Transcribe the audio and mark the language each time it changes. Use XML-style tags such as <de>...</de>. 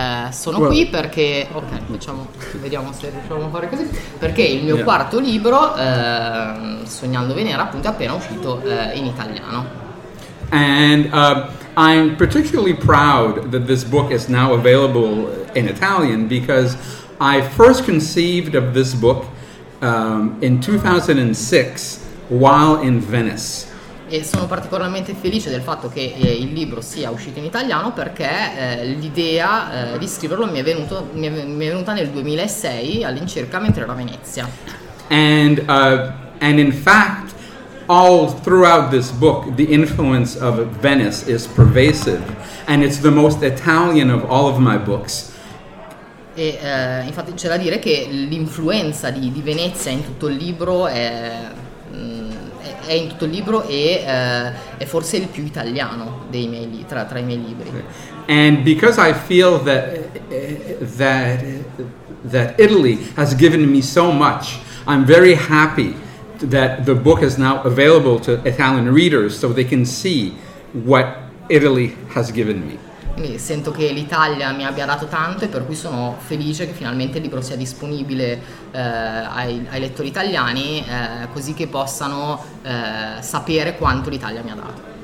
<it>Sono qui perché, ok, vediamo se riusciamo a fare così, perché il mio quarto libro, Sognando Venera, appunto è appena uscito in italiano.</it> <en>And I'm particularly proud that this book is now available in Italian, because I first conceived of this book in 2006 while in Venice.</en> <it>E sono particolarmente felice del fatto che il libro sia uscito in italiano, perché l'idea di scriverlo mi è venuta nel 2006 all'incirca mentre ero a Venezia.</it> <en>And in fact, all throughout this book, the influence of Venice is pervasive, and it's the most Italian of all of my books.</en> <it>E infatti c'è da dire che l'influenza di Venezia in tutto il libro è in tutto il libro e è forse il più italiano dei miei tra i miei libri.</it> <en>Okay. And because I feel that Italy has given me so much, I'm very happy that the book is now available to Italian readers so they can see what Italy has given me.</en> <it>Quindi sento che l'Italia mi abbia dato tanto, e per cui sono felice che finalmente il libro sia disponibile ai lettori italiani, così che possano sapere quanto l'Italia mi ha dato.</it>